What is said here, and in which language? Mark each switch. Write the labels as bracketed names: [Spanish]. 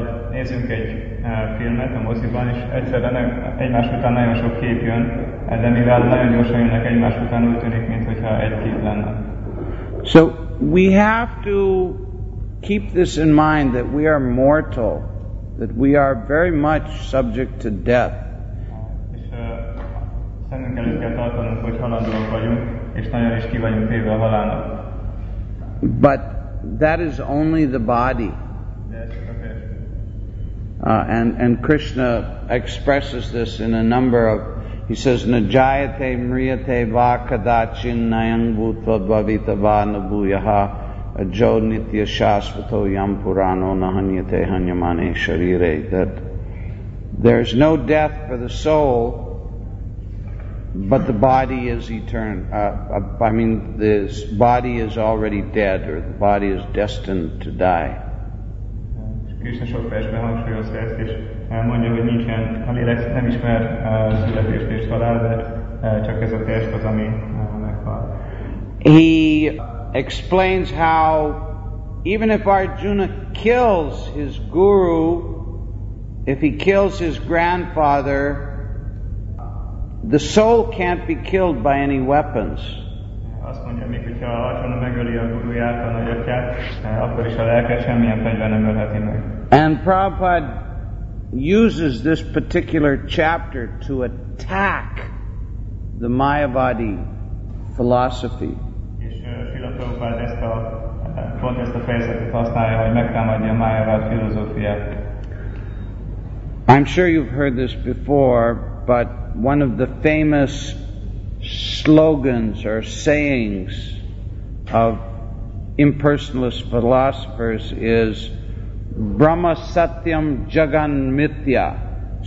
[Hungarian] Nézzünk egy filmet a moziban, és egyszerre egymás után nagyon sok kép jön, de mivel nagyon gyorsan jönnek egymás után, úgy tűnik, mintha egy kép lenne. [English] So we have to keep this in mind that we are mortal, that we are very much subject to death. [Hungarian] És szemünk előtt kell tartanunk, hogy halandóak vagyunk, és nagyon is ki vagyunk téve a halálnak. [English] But that is only the body. And Krishna expresses this in a number of, he says, [Sanskrit] Najayate mriyate va kadachin nayang bhutva bhavita va nabuyaha ajo nitya shasvato yam purano nahanyate hanyamane sharire, [English] that there is no death for the soul, but the body is eternal. This body is already dead, or the body is destined to die. [Hungarian] Krishna sok versben hangsúlyozza ezt, és mondja, hogy nincsen, a lélek nem ismer születést és halál, de csak ez a test az, ami meghal. [English] He explains how even if Arjuna kills his guru, if he kills his grandfather, the soul can't be killed by any weapons. [Hungarian] Azt mondja, még hogyha Arjuna megöli a guruját, a nagyatját, akkor is a lelket semmilyen fegyver nem ölheti meg. [English] And Prabhupada uses this particular chapter to attack the Mayavadi philosophy. [Hungarian] És Srila Prabhupada ezt a fejezetet használja, hogy megtámadja a Mayavadi filozófiát. [English] I'm sure you've heard this before, but one of the famous slogans or sayings of impersonalist philosophers is [Sanskrit] Brahma Satyam Jagan Mithya.